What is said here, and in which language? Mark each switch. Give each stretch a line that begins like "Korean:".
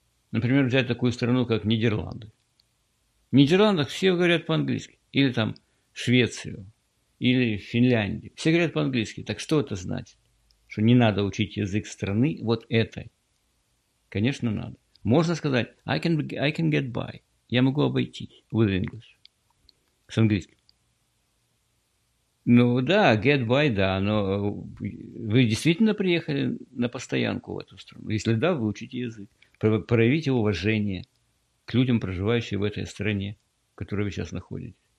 Russian: Например, взять такую страну, как Нидерланды. В Нидерландах все говорят по-английски. Или там Швецию, или Финляндию. Все говорят по-английски. Так что это значит? Что не надо учить язык страны вот этой? Конечно, надо. Можно сказать,
English: I can get by.
Russian: Я могу обойтись
English: with English.
Russian: С английским. Ну да,
English: get by,
Russian: да, но вы действительно приехали на постоянку в эту страну? Если да, вы учите язык. Проявите уважение к людям, проживающим в этой стране, в которой вы сейчас находитесь.